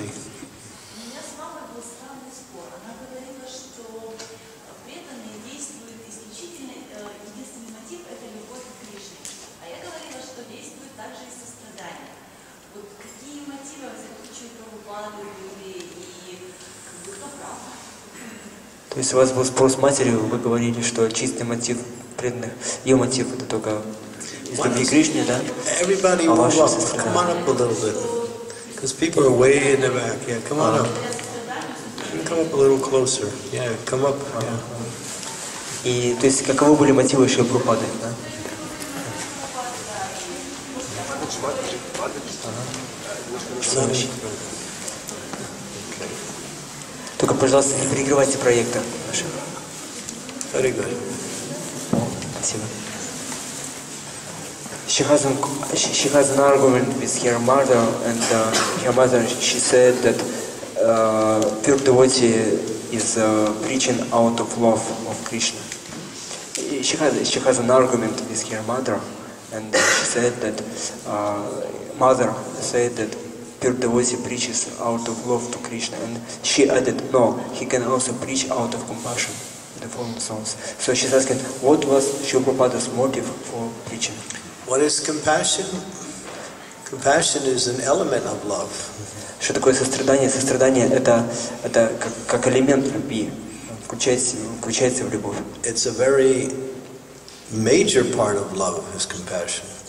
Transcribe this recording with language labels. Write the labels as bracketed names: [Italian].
[Russian] У меня с мамой был странный спор. Она говорила, что преданные действуют исключительно, единственный мотив – это любовь к Кришне. А я говорила, что действует также и сострадание. Вот какие мотивы в заключении Прабхупады были, и кто прав? То есть у вас был спор с матерью, вы говорили, что чистый мотив преданных, ее мотив – это только... [English] Everybody move up, come on up a little bit, because people are way in the back, yeah, come on up, come up a little closer, yeah, come up, yeah. [Russian] И, то есть, каковы были мотивы Шрилы Прабхупады, да? Только, пожалуйста, не перегревайте проектор. [English] Very good. [Russian] Спасибо. [English] She has an argument with her mother, and her mother, she said that pure devotee is preaching out of love of Krishna. She has an argument with her mother, and she said that mother said that pure devotee preaches out of love to Krishna, and she added, no, he can also preach out of compassion, the fallen souls. So she's asking, what was Srila Prabhupada's motive for preaching? What is compassion? Compassion is an element of love. [Russian] Что такое сострадание? Сострадание это как элемент любви. Включается в любовь. [English] It's a very major part of love is compassion.